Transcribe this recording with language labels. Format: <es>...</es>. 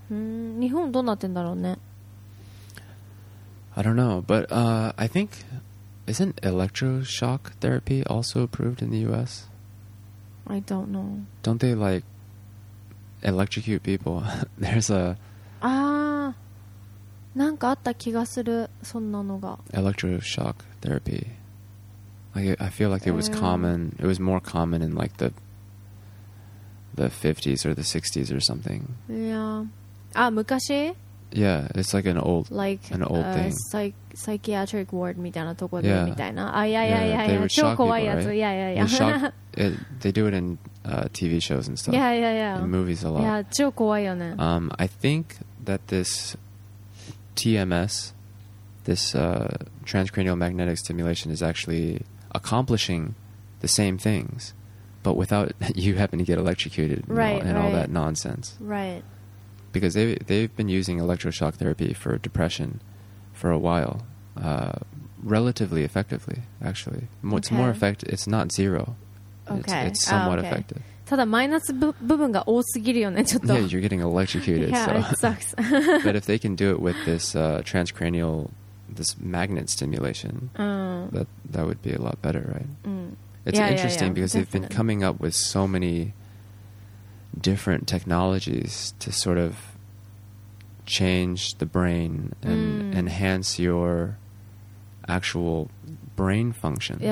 <ja>日本どうなってんだろうね。</ja> <en>I don't know, but I think, isn't electroshock therapy also approved in the U.S.? I don't know. Don't they, like, electrocute people? There's a...</en> <ja>なんかあった気がする、そんなのが。</ja> <en>Electroshock therapy. I feel like it was common, it was more common in, like, the 50s or the 60s or something.</en> <ja>Yeah. あ、昔？</ja> <en>Yeah, it's like an old, like, an old thing. Psychiatric ward</en> <ja>みたいなところで、</ja> <en>yeah.</en> <ja>みたいな。あ、いやいやいや、超怖いやつ。いやいやいや。</ja> <en>They do it in TV shows and stuff. Yeah, yeah, yeah. In movies a lot.</en> <ja>Yeah, 超怖いよね。</ja> <en>I think that this TMS, this transcranial magnetic stimulation, is actually accomplishing the same things, but without you having to get electrocuted and all that nonsense. Right. Because they've been using electroshock therapy for depression for a while, relatively effectively, actually. It's more effective. It's not zero. Okay. It's somewhat effective.</en> <ja>ただマイナス部分が多すぎるよね、ちょっと。</ja> <en>Yeah, you're getting electrocuted. Yeah, so. It sucks. But if they can do it with this transcranial, this magnet stimulation, that would be a lot better, right? It's interesting because they've been coming up with so many... different technologies to sort of change the brain and enhance your actual brain function.</en>